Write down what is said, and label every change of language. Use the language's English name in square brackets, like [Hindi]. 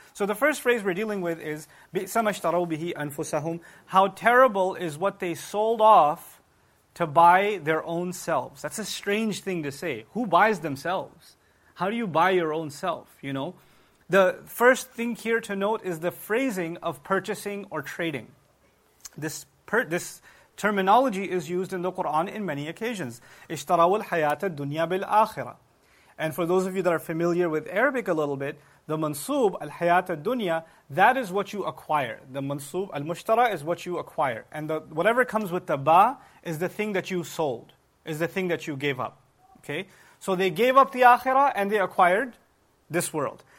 [English] So the first phrase we're dealing with is [Arabic] بِئْسَمَ اشْتَرَوْا بِهِ أَنفُسَهُمْ, [English] how terrible is what they sold off to buy their own selves. That's a strange thing to say. Who buys themselves? How do you buy your own self, you know? The first thing here to note is the phrasing of purchasing or trading. This terminology is used in the Quran in many occasions. [Arabic] اشتروا الحياة الدنيا بالآخرة. [English] And for those of you that are familiar with Arabic a little bit, the mansub, [Arabic] الحياة الدنيا, [English] that is what you acquire. The mansub, [Arabic] المشترى, [English] is what you acquire. And the, whatever comes with the ba is the thing that you sold, is the thing that you gave up. Okay? So they gave up the akhira and they acquired this world.